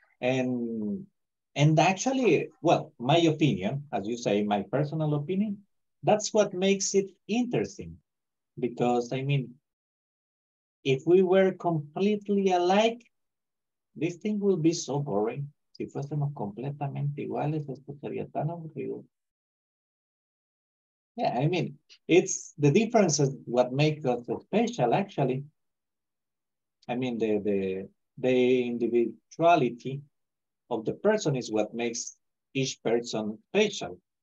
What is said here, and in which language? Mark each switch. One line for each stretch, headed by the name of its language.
English: And actually, well, my opinion, as you say, my personal opinion, that's what makes it interesting. Because I mean, if we were completely alike, this thing will be so boring.
Spanish: Si fuésemos completamente iguales, esto sería tan aburrido.
English: Yeah, I mean, it's the differences what make us special, actually. I mean, the individuality of the person is what makes each person special.